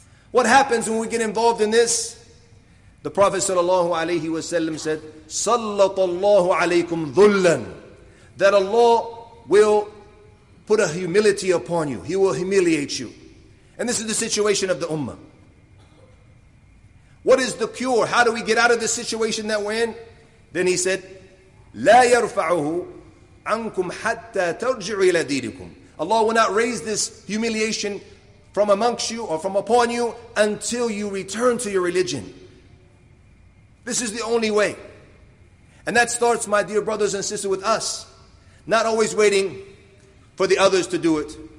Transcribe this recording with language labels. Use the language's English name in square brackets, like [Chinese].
[English] What happens when we get involved in this? The Prophet sallallahu alayhi wa sallam said, [Arabic] sallatallahu alaykum dhullan, [English] that Allah will put a humility upon you. He will humiliate you. And this is the situation of the ummah. What is the cure? How do we get out of the situation that we're in? Then he said, [Arabic] لَا يَرْفَعُهُ عَنْكُمْ حَتَّى تَرْجِعُ إِلَى دِينِكُمْ. [English] Allah will not raise this humiliation from amongst you or from upon you until you return to your religion. This is the only way. And that starts, my dear brothers and sisters, with us. Not always waiting for the others to do it.